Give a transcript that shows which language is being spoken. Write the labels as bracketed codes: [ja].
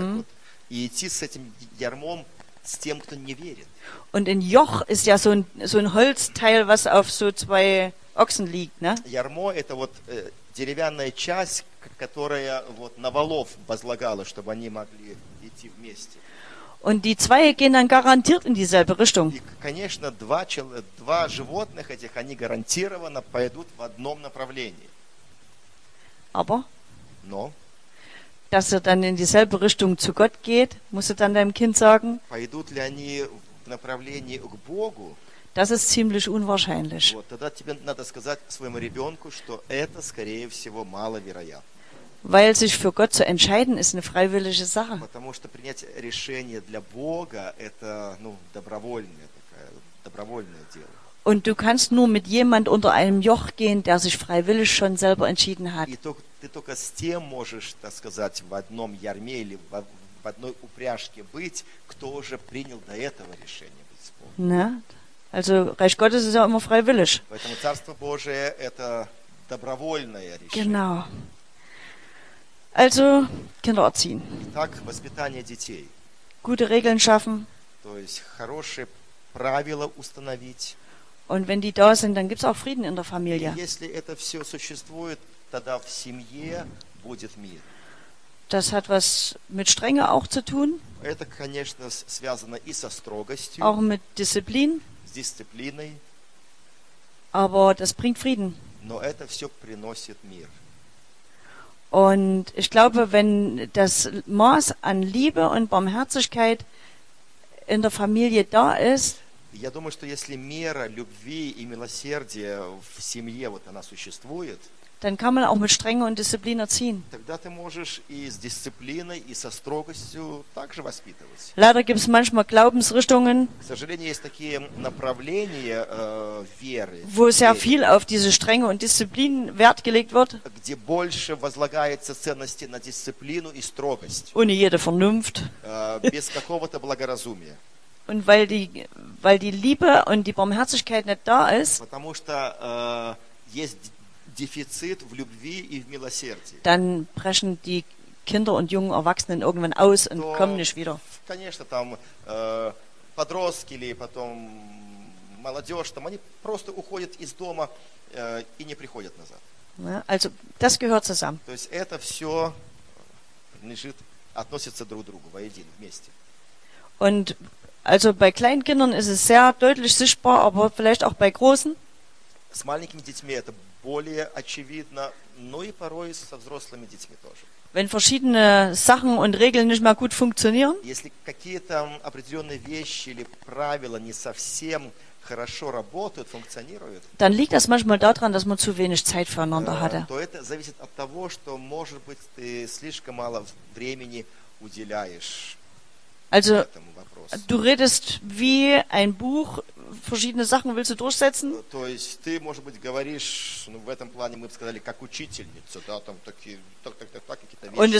[ru] так вот, и идти с этим ярмом с тем, кто не верит. [de] Und ein Joch ist ja so ein Holzteil, was auf so zwei Ochsen liegt, ne? [ru] Ярмо – это вот деревянная часть, которая вот на волов возлагала, чтобы они могли идти вместе. [de] Und die zwei gehen dann garantiert in dieselbe Richtung. [ru] И, конечно, два животных этих, они гарантированно пойдут в одном направлении. [de] Aber? [ru] Но? [de] Dass er dann in dieselbe Richtung zu Gott geht, musst du dann deinem Kind sagen. [ru] Пойдут ли они в направлении к Богу? [de] Das ist ziemlich unwahrscheinlich. [ru] Вот, тогда тебе надо сказать своему ребенку, что это, скорее всего, маловероятно. [de] Weil sich für Gott zu entscheiden, ist eine freiwillige Sache. [ru] Потому что принять решение для Бога, это, ну, добровольное, такое, добровольное дело. [de] Und du kannst nur mit jemand unter einem Joch gehen, der sich freiwillig schon selber entschieden hat. [ru] И ты только с тем можешь, так сказать, в одном ярме или в одной упряжке быть, кто уже принял до этого решение быть с Богом. [de] Ne? Also Reich Gottes ist ja immer freiwillig. [ru] Поэтому Царство Божие – это добровольное решение. [de] Genau. Also, Kinder erziehen. [ru] Итак, воспитание детей. [de] Gute Regeln schaffen. [ru] То есть, хорошие правила установить. [de] Und wenn die da sind, dann gibt es auch Frieden in der Familie. [ru] Если это все существует, тогда в семье будет мир. [de] Das hat was mit Strenge auch zu tun. [ru] Это, конечно, связано и со строгостью. [de] Auch mit Disziplin. [ru] С дисциплиной. [de] Aber das bringt Frieden. [ru] Но это все приносит мир. [de] Und ich glaube, wenn das Maß an Liebe und Barmherzigkeit in der Familie da ist, [ru] я думаю, что если мера любви и милосердия в семье вот она существует, [de] dann kann man auch mit Strenge und Disziplin erziehen. [ru] Тогда ты можешь и с дисциплиной, и со строгостью также воспитывать. [de] Leider gibt es manchmal Glaubensrichtungen, [ru] к сожалению, есть такие направления веры, [de] wo sehr viel auf diese Strenge und Disziplin Wert gelegt wird, [ru] где больше возлагается ценности на дисциплину и строгость. [de] Ohne jede Vernunft. [ru] Без какого-то благоразумия. [de] Und weil die Liebe und die Barmherzigkeit nicht da ist, [ru] потому что есть дефицит в любви и в милосердии. [de] Dann brechen die Kinder und jungen Erwachsenen irgendwann aus und kommen nicht wieder. [ru] Конечно, там подростки или потом молодежь, там они просто уходят из дома и не приходят назад. [de] Also, das gehört zusammen. [ru] То есть это все лежит, относится друг к другу, воедино, вместе. [de] Und also bei kleinen Kindern ist es sehr deutlich sichtbar, aber vielleicht auch bei großen. [ru] С маленькими детьми это более очевидно, но и порой со взрослыми детьми тоже. [de] Wenn verschiedene Sachen und Regeln nicht mal gut funktionieren, [ru] если какие-то определенные вещи или правила не совсем хорошо работают, функционируют, [de] dann liegt das manchmal daran, dass man zu wenig Zeit füreinander hatte. [ru] То это зависит от того, что, может быть, ты слишком мало времени уделяешь. [de] Also, du redest wie ein Buch, verschiedene Sachen willst du durchsetzen? [ru] То есть, ты, может быть, говоришь, ну, в этом плане мы бы сказали, как учительница, да, там такие, так, какие-то вещи.